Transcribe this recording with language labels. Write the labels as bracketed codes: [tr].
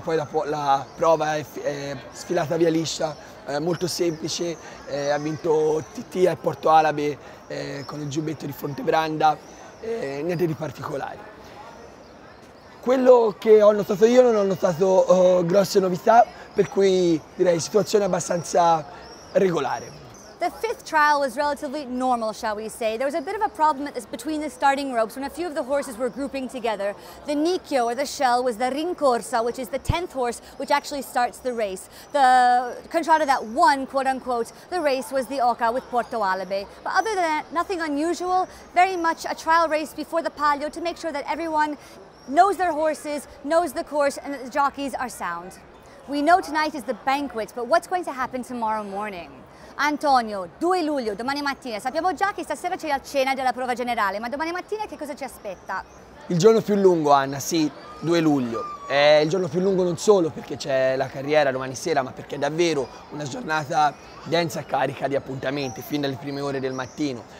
[it] Poi dopo la prova è sfilata via liscia, molto semplice, ha vinto TT al Porto Alabe con il giubbetto di Fontebranda, niente di particolare. Quello che ho notato io, non ho notato grosse novità, per cui direi situazione abbastanza regolare. [en] The fifth trial was relatively normal, shall we say. There was a bit of a problem between the starting ropes when a few of the horses were grouping together. The Nicchio, or the Shell, was the Rincorsa, which is the 10th horse, which actually starts the race. The contrada that won, quote-unquote, the race was the Oca with Porto Alabe. But other than that, nothing unusual, very much a trial race before the Palio to make sure that everyone knows their horses, knows the course, and that the jockeys are sound. We know tonight is the banquet, but what's going to happen tomorrow morning? [it] Antonio, 2 luglio, domani mattina, sappiamo già che stasera c'è la cena della prova generale, ma domani mattina che cosa ci aspetta? Il giorno più lungo, Anna, sì, 2 luglio. È il giorno più lungo non solo perché c'è la carriera domani sera, ma perché è davvero una giornata densa e carica di appuntamenti, fin dalle prime ore del mattino.